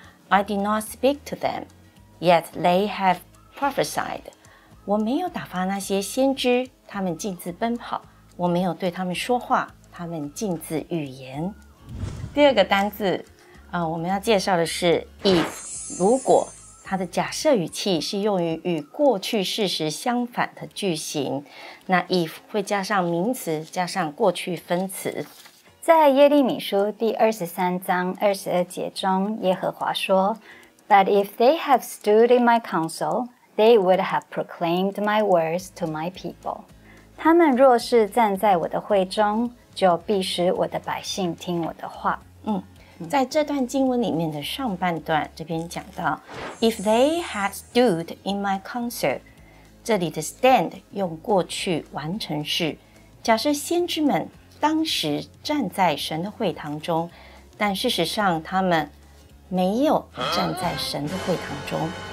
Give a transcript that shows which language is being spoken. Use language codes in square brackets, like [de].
[en] I did not speak to them, yet they have prophesied. [zh] 我没有打发那些先知，他们径自奔跑，我没有对他们说话，他们径自预言。第二个单字我们要介绍的是 if, 如果。它的假设语气是用于与过去事实相反的句型，那 if 会加上名词加上过去分词。在耶利米书第23章22节中，耶和华说 [en] But if they have stood in my counsel, they would have proclaimed my words to my people. [zh] 他们若是站在我的会中，就必使我的百姓听我的话。在这段经文里面的上半段，这边讲到 [en] If they had stood in my counsel， [zh] 这里的 stand 用过去完成式，假设先知们当时站在神的会堂中，但事实上他们没有站在神的会堂中。